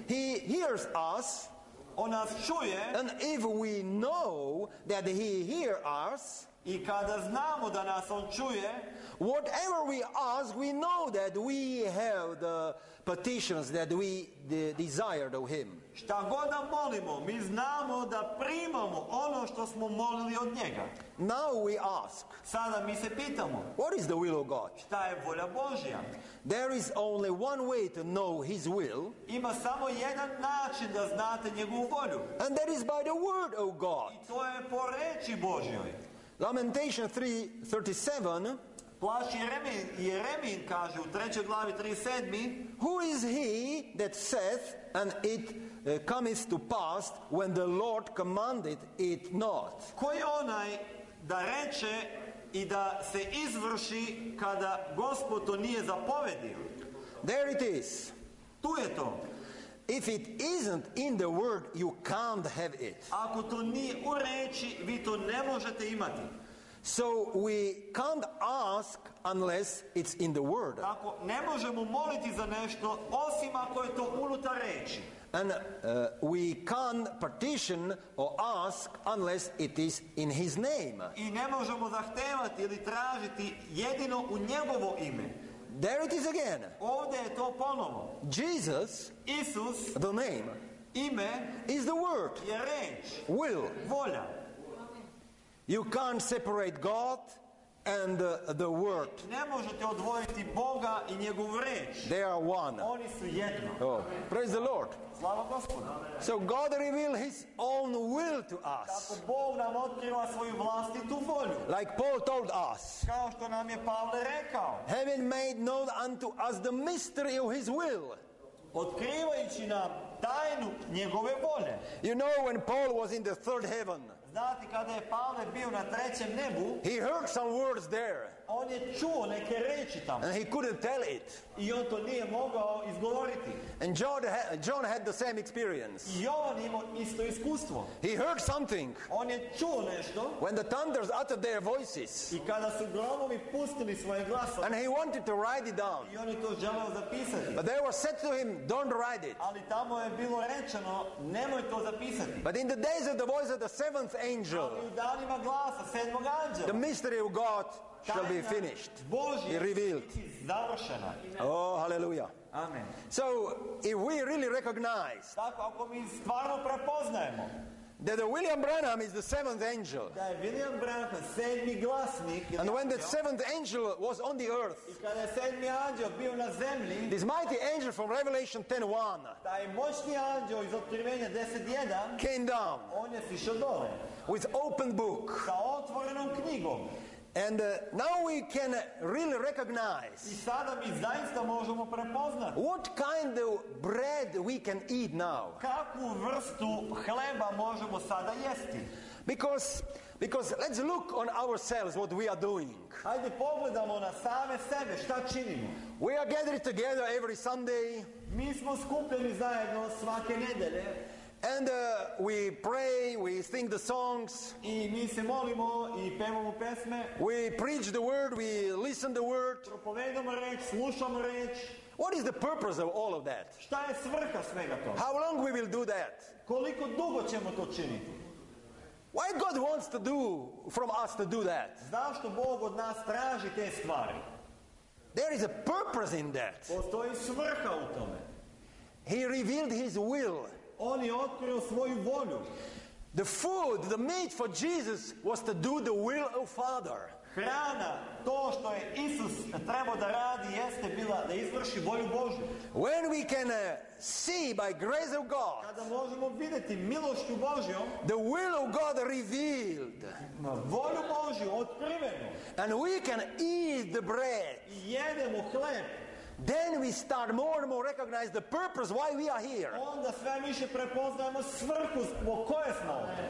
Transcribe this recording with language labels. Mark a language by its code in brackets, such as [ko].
[en] He hears us. [sr] On nas čuje. [en] And if we know that he hears us. [sr] I kada znamo da nas on čuje. [en] Whatever we ask, we know that we have the petitions that we desired of him. [sr] Šta god da molimo, mi znamo da primamo ono što smo molili od njega. [en] Now we ask. [sr] Sada mi se pitamo. [en] What is the will of God? [sr] Šta je volja Božja? [en] There is only one way to know his will. [sr] Ima samo jedan način da znate njegovu volju. [en] And that is by the word of God. [sr] I to je po reči Božjoj. [en] Lamentation 3:37. [sr] Plaš Jeremin kaže u 3. glavi 37. [en] Who is he that saith and it cometh to pass when the Lord commanded it not? [sr] Ko je onaj da reče i da se izvrši kada Gospod to nije zapovedio? [en] There it is. [sr] Tu je to. [en] If it isn't in the word, you can't have it. [sr] Ako to nije u reči, vi to ne možete imati. [en] So we can't ask unless it's in the word. [sr] Ako ne možemo moliti za nešto osim ako je to unutar reči. [en] And we can't petition or ask unless it is in his name. [sr] I ne možemo zahtevati ili tražiti jedino u njegovo ime. [en] There it is again. [sr] Ovdje je to ponovo. [en] Jesus, [sr] Isus, [en] the name, [sr] ime, [en] is the word, [sr] je reč, [en] will, [sr] volja. [en] You can't separate God and the word. [sr] Ne možete odvojiti Boga i njegovu reč. [en] They are one. [sr] Oni su jedno. [en] Oh, praise the Lord. [sr] Slava Gospodu. [en] So God revealed his own will to us. [sr] Kako Bog nam otkriva svoju vlastitu volju. [en] Like Paul told us. [sr] Kao što nam je Pavle rekao. [en] Having made known unto us the mystery of his will. [sr] Otkrivajući nam tajnu njegove volje. [en] You know when Paul was in the third heaven. [sr] Znate kada je Pavle bio na trećem nebu? [en] He heard some words there. [sr] On je čuo neke reči tamo. [en] And he couldn't tell it. [sr] I on to nije mogao izgovoriti. [en] And John had the same experience. [sr] Jovan imao isto iskustvo. [en] He heard something. [sr] On je čuo nešto. [en] When the thunders uttered their voices. [sr] I kada su gromovi pustili svoje glasove. [en] And he wanted to write it down. [sr] I on je to želeo zapisati. [en] But they were said to him, don't write it. [sr] Ali tamo je bilo rečeno, nemoj to zapisati. [en] But in the days of the voice of the seventh angel. [sr] Ali u danima glasa sedmog anđela. [en] The mystery of God shall be finished. [sr] Božje [en] revealed. [sr] Završena. [en] Oh, hallelujah. [sr] Amen. [en] So, if we really recognize. [sr] Tako ako mi stvarno prepoznajemo. [en] That William Branham is the seventh angel. [sr] Da je William Branham sedmi glasnik. [en] And when that seventh angel was on the earth. [sr] I kada je sedmi anđel bio na zemlji. [en] This mighty angel from Revelation 10:1. [sr] Taj moćni anđel iz Otkrivenja 10:1. [en] Came down. [sr] On je sišao dole. [en] With open book. [sr] Sa otvorenom knjigom. [en] And now we can really recognize. [sr] I sada mi zaista možemo prepoznati. [en] What kind of bread we can eat now? [sr] Kakvu vrstu hleba možemo sada jesti? [en] Because let's look on ourselves what we are doing. [sr] Hajde pogledamo na same sebe, šta činimo? [en] We are gathered together every Sunday. [sr] Mi smo skupljeni zajedno svake nedelje. [en] And we pray, we sing the songs. [sr] I mi se molimo i pevamo pesme. [en] We preach the word, we listen the word. [sr] Propovedamo reč, slušamo reč. [en] What is the purpose of all of that? [sr] Šta je svrha svega toga? [en] How long we will do that? [sr] Koliko dugo ćemo to činiti? [en] Why God wants to do from us to do that? [sr] Zašto Bog od nas traži te stvari? [en] There is a purpose in that. [sr] Postoji svrha u tome. [en] He revealed his will. [sr] On je otkrio svoju volju. [en] The food, the meat for Jesus was to do the will of Father. [sr] Hrana, to što je Isus trebao da radi, jeste bila da izvrši volju Božju. [en] When we can see by grace of God. [sr] Kada možemo videti milošću Božjom. [en] The will of God revealed. [sr] Volju Božju otkrivenu. [en] And we can eat the bread. [sr] Jedemo hleb. [en] Then we start more and more recognize the purpose why we are here. [sr] Onda sve više prepoznajemo svrhu po kojoj smo.